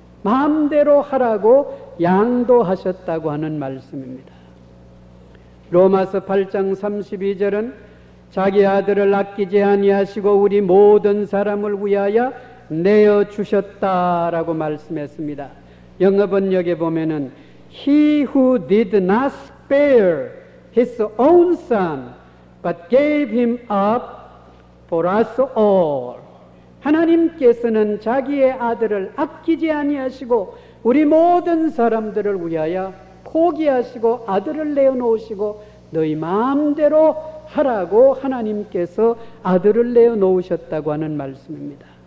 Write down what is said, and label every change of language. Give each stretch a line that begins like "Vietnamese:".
Korean: 마음대로 하라고 양도하셨다고 하는 말씀입니다. 로마서 8장 32절은 자기 아들을 아끼지 아니하시고 우리 모든 사람을 위하여 내어주셨다라고 말씀했습니다. 영어 번역에 보면은
English: He who did not spare his own son but gave him up for us all.
Korean: 하나님께서는 자기의 아들을 아끼지 아니하시고 우리 모든 사람들을 위하여 포기하시고 아들을 내어놓으시고 너희 마음대로 하라고 하나님께서 아들을 내어놓으셨다고 하는 말씀입니다.